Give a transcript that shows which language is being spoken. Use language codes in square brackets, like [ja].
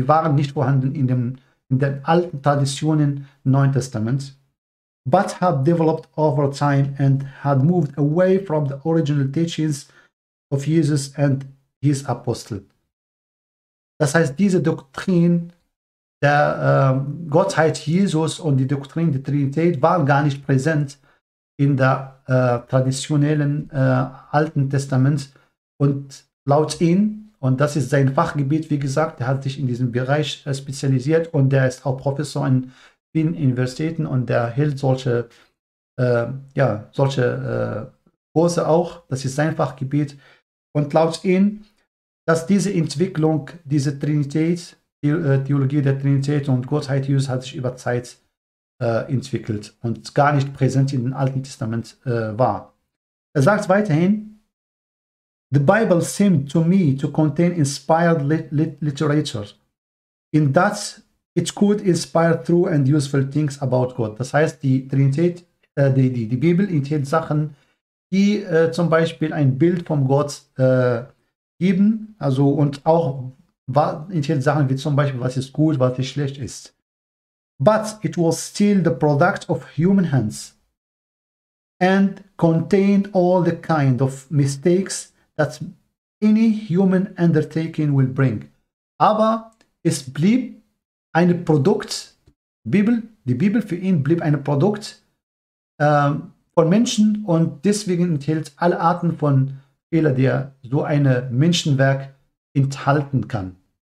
[de] Die waren nicht vorhanden in den alten Traditionen des Neuen Testaments, [en] but had developed over time and had moved away from the original teachings of Jesus and his apostle. [de] Das heißt, diese Doktrin der Gottheit Jesus und die Doktrin der Trinität waren gar nicht präsent in der traditionellen Alten Testament. Und laut ihm, und das ist sein Fachgebiet, wie gesagt, er hat sich in diesem Bereich spezialisiert und der ist auch Professor in vielen Universitäten und der hält solche Kurse auch. Das ist sein Fachgebiet. Und laut ihm, dass diese Entwicklung, diese Trinität, Theologie der Trinität und Gottheit Jesus hat sich über Zeit entwickelt und gar nicht präsent in dem Alten Testament war. Er sagt weiterhin: [en] "The Bible seemed to me to contain inspired literature, in that it could inspire true and useful things about God." [de] Das heißt, die Trinität, die Bibel enthält Sachen, die zum Beispiel ein Bild vom Gott geben, also und auch in Sachen wie zum Beispiel, was ist gut, was ist schlecht ist. [en] But it was still the product of human hands and contained all the kind of mistakes that any human undertaking will bring. [de] Aber es blieb ein Produkt, die Bibel für ihn blieb ein Produkt von Menschen und deswegen enthält alle Arten von Fehler, die er so ein Menschenwerk enthalten kann.